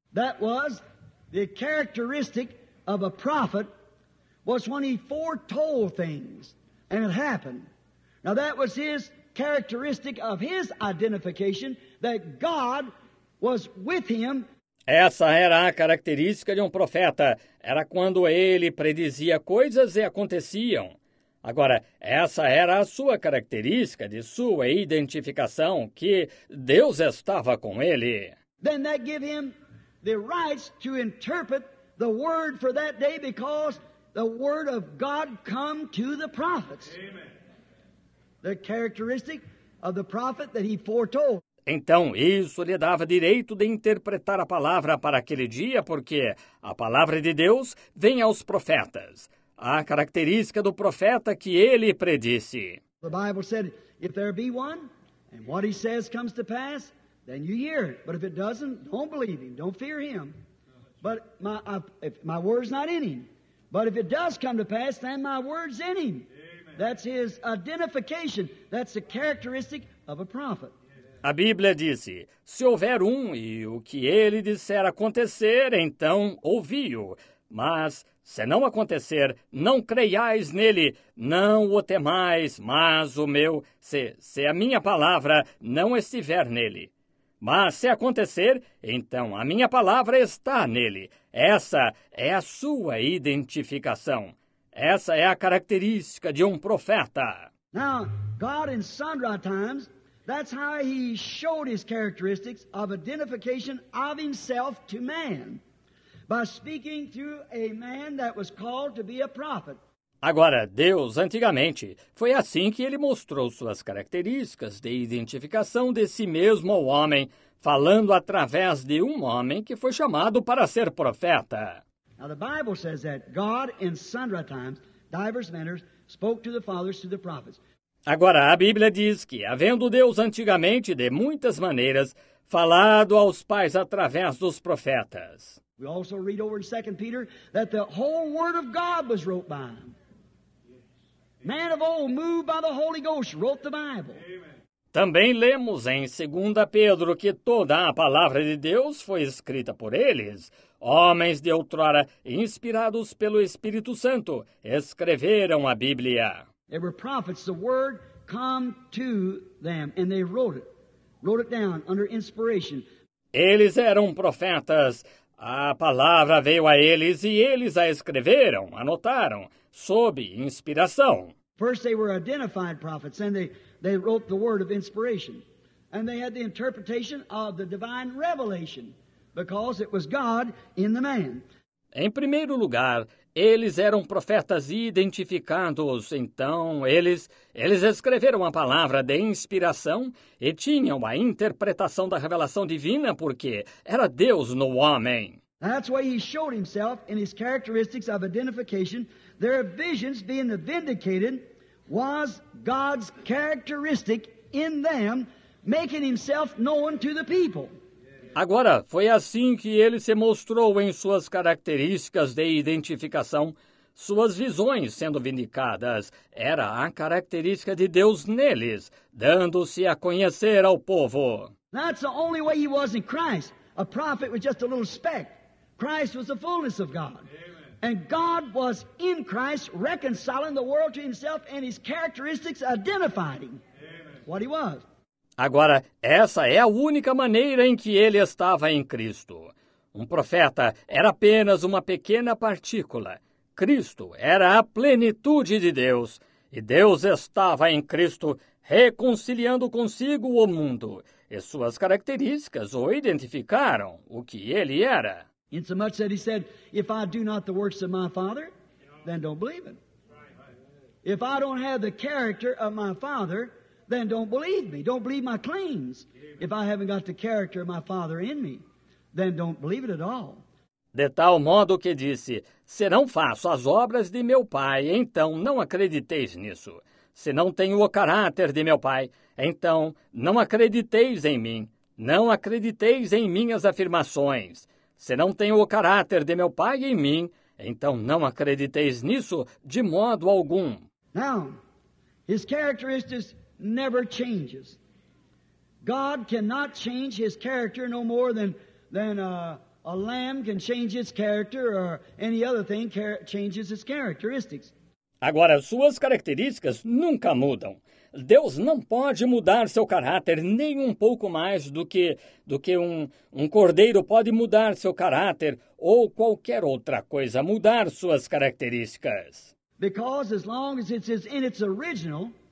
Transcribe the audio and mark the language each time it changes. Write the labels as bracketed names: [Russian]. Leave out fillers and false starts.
[English] That was the characteristic of a prophet was when he foretold things and it happened. Now that was his characteristic of his identification, that God was with him. [Portuguese] Essa era a característica de um profeta. Era quando ele predizia coisas e aconteciam. Agora, essa era a sua característica de sua identificação, que Deus estava com ele. [English] Then that gave him the rights to interpret the word for that day, because the word of God come to the prophets. Amen. The characteristic of the prophet that he foretold. [Portuguese] Então, isso lhe dava direito de interpretar a palavra para aquele dia, porque a palavra de Deus vem aos profetas. A característica do profeta que ele predisse. [English] The Bible said, if there be one, and what he says comes to pass, then you hear it. But if it doesn't, don't believe him. Don't fear him. But my word's not in him. But if it does come to pass, then my word's in him. Amen. That's his identification. That's the characteristic of a prophet. [Portuguese] A Bíblia disse, se houver um e o que ele disser acontecer, então ouvi-o. Mas, se não acontecer, não creiais nele, não o temais, mas o meu, se a minha palavra não estiver nele. Mas, se acontecer, então a minha palavra está nele. Essa é a sua identificação. Essa é a característica de um profeta. [English] Now, God in sundry times, that's how he showed his characteristics of identification of himself to man, by speaking through a man that was called to be a prophet. [Portuguese] Agora, Deus, antigamente, foi assim que ele mostrou suas características de identificação de si mesmo ao homem, falando através de um homem que foi chamado para ser profeta. [English] Now, the Bible says that God, in sundry times, divers manners, spoke to the fathers through the prophets. [Portuguese] Agora, a Bíblia diz que, havendo Deus antigamente, de muitas maneiras, falado aos pais através dos profetas. [English] We also read over in 2 Peter that the whole word of God was wrote by him. Man of old, moved by the Holy Ghost, wrote the Bible. [Portuguese] Também lemos em 2 Pedro que toda a palavra de Deus foi escrita por eles. Homens de outrora, inspirados pelo Espírito Santo, escreveram a Bíblia. [English] They were prophets. The word come to them and they wrote it. Wrote it down under inspiration. [Portuguese] Eles eram profetas. A palavra veio a eles e eles a escreveram, anotaram, sob inspiração. [English] First they were identified prophets, and they wrote the word of inspiration. And they had the interpretation of the divine revelation, because it was God in the man. [Portuguese] Em primeiro lugar, eles eram profetas identificados, então eles escreveram a palavra de inspiração e tinham a interpretação da revelação divina, porque era Deus no homem. [English] That's why he showed himself in his characteristics of identification. Their visions being vindicated was God's characteristic in them, making himself known to the people. [Portuguese] Agora, foi assim que ele se mostrou em suas características de identificação. Suas visões sendo vindicadas era a característica de Deus neles, dando-se a conhecer ao povo. [English] That's the only way he was in Christ. A prophet was just a little speck. Christ was the fullness of God. Amen. And God was in Christ reconciling the world to himself, and his characteristics identified him. Amen. What he was. [Portuguese] Agora, essa é a única maneira em que ele estava em Cristo. Um profeta era apenas uma pequena partícula. Cristo era a plenitude de Deus. E Deus estava em Cristo reconciliando consigo o mundo. E suas características o identificaram, o que ele era. [English] Insomuch that he said, if I do not the works of my Father, then don't believe it. If I don't have the character of my Father, then don't believe me. Don't believe my claims. If I haven't got the character of my Father in me, then don't believe it at all. [Portuguese] De tal modo que disse, se não faço as obras de meu Pai, então não acrediteis nisso. Se não tenho o caráter de meu Pai, então não acrediteis em mim. Não acrediteis em minhas afirmações. Se não tenho o caráter de meu Pai em mim, então não acrediteis nisso de modo algum. [English] Now, his characteristics never changes. God cannot change his character no more than a lamb can change its character or any other thing changes its characteristics. [Portuguese] Agora, suas características nunca mudam. Deus não pode mudar seu caráter nem um pouco mais do que um cordeiro pode mudar seu caráter ou qualquer outra coisa mudar suas características. [English] Because as long as it's in its original.